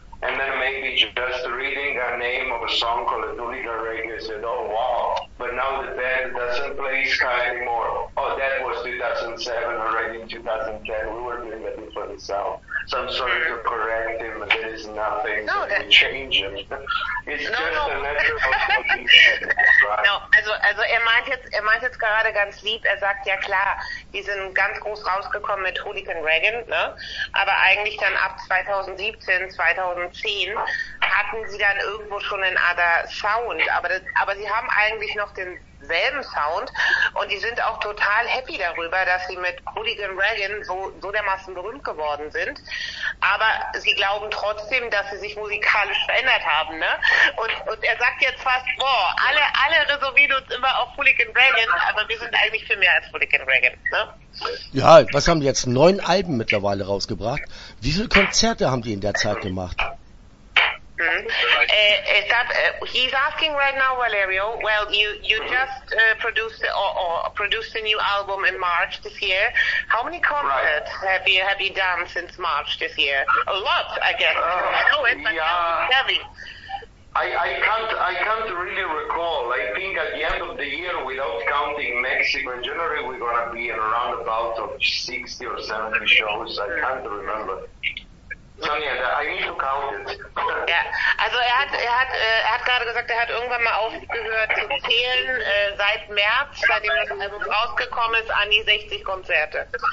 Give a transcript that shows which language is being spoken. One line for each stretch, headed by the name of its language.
English: And then maybe just reading a name of a song called Duliga Reggae said, oh wow, but now the band doesn't play ska anymore. Oh, that was 2007, already in 2010, we were doing a different sound. So I'm sorry to correct him, but there is nothing to change him. It's just a natural condition. No,
German: also er meint jetzt gerade ganz lieb, er sagt, ja klar, die sind ganz groß rausgekommen mit Hooligan Reagan, ne? Aber eigentlich dann ab 2017, 2010 hatten sie dann irgendwo schon einen anderen Sound, aber sie haben eigentlich noch denselben Sound und die sind auch total happy darüber, dass sie mit Hooligan Reagan so dermaßen berühmt geworden sind. Aber sie glauben trotzdem, dass sie sich musikalisch verändert haben, ne? Und er sagt jetzt fast, boah, alle resümieren uns immer auf Hooligan Reagan, aber wir sind eigentlich viel mehr als Hooligan Reagan, ne? Ja, was haben die jetzt? 9 Alben mittlerweile rausgebracht. Wie viele Konzerte haben die in der Zeit gemacht?
English: He's asking right now, Valerio. Well, you just produced a new album in March this year. How many concerts have you done since March this year? A lot, I guess. I can't really recall. I think at the end of the year, without counting Mexico in January, we're gonna be in around about 60 or 70 shows. I can't remember.
German: Ja, also er hat gerade gesagt, er hat irgendwann mal aufgehört zu zählen, seit März, seitdem das Album rausgekommen ist, an die 60 Konzerte.